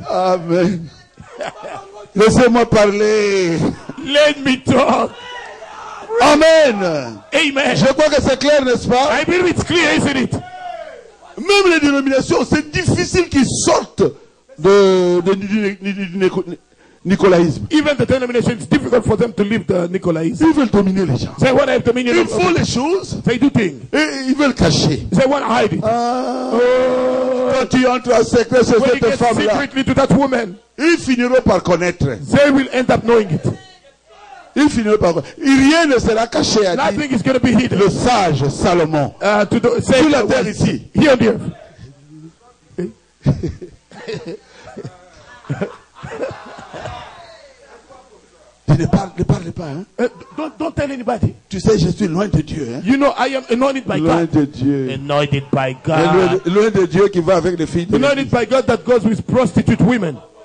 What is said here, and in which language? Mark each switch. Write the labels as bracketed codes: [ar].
[fr] Amen. Laissez-moi parler. [en] Let me talk. [fr] Amen. [en] Amen. [fr] Je crois que c'est clair, n'est-ce pas? [en] I believe it's clear, isn't it? [fr] Même les dénominations, c'est difficile qu'ils sortent de Nicolaïsme. [en] Even the denomination, it's difficult for them to leave the Nicolaïsme. [fr] Ils veulent dominer les gens. [en] They want to have dominion. [fr] Ils font les choses. [en] They do things. [fr] Et ils veulent cacher. [en] They want to hide it. [fr] Quand tu entres en secret chez cette femme-là, [en] secretly to that woman, [fr] ils finiront par connaître. [en] They will end up knowing it. [fr] Ils finiront par connaître. Rien ne sera caché à lui. [en] Nothing is going to be hidden. [fr] Le sage Salomon. Sur la terre ici. [en] Here on the earth. [fr] Ne parle pas. Hein? [en] Don't tell anybody. [fr] Tu sais, je suis loin de Dieu. Hein? [en] You know, I am anointed by [fr] loin [en] God. [fr] De Dieu. [en] Anointed by God. [fr] Loin de Dieu qui va avec les filles. [en] Anointed by God that goes with prostitute women.